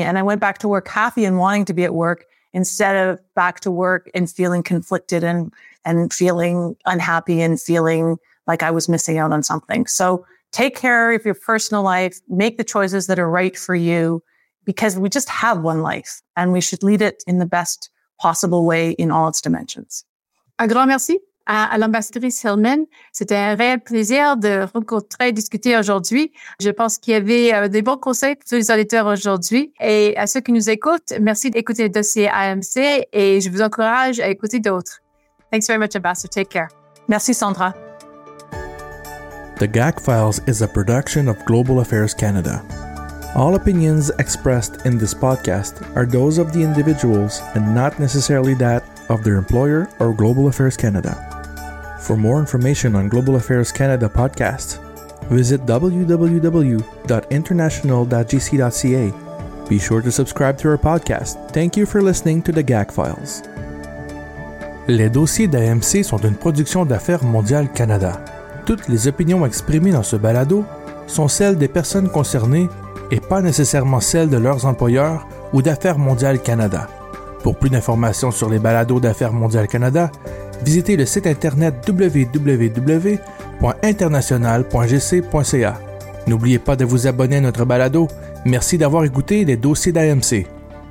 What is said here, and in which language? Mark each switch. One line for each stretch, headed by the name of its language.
English: And I went back to work happy and wanting to be at work instead of back to work and feeling conflicted and feeling unhappy and feeling like I was missing out on something. So take care of your personal life. Make the choices that are right for you, because we just have one life and we should lead it in the best possible way in all its dimensions.
French: Un grand merci à l'ambassadrice Hillman. C'était un réel plaisir de rencontrer et discuter aujourd'hui. Je pense qu'il y avait des bons conseils pour tous les auditeurs aujourd'hui. Et à ceux qui nous écoutent, merci d'écouter le dossier AMC et je vous encourage à écouter d'autres.
English: Thanks very much, Ambassador. Take care.
French: Merci, Sandra.
English: The GAC Files is a production of Global Affairs Canada. All opinions expressed in this podcast are those of the individuals and not necessarily that of their employer or Global Affairs Canada. For more information on Global Affairs Canada podcasts, visit www.international.gc.ca. Be sure to subscribe to our podcast. Thank you for listening to the GAC Files.
French: Les dossiers d'AMC sont une production d'Affaires Mondiales Canada. Toutes les opinions exprimées dans ce balado sont celles des personnes concernées et pas nécessairement celles de leurs employeurs ou d'Affaires Mondiales Canada. Pour plus d'informations sur les balados d'Affaires Mondiales Canada, visitez le site internet www.international.gc.ca. N'oubliez pas de vous abonner à notre balado. Merci d'avoir écouté les dossiers d'AMC.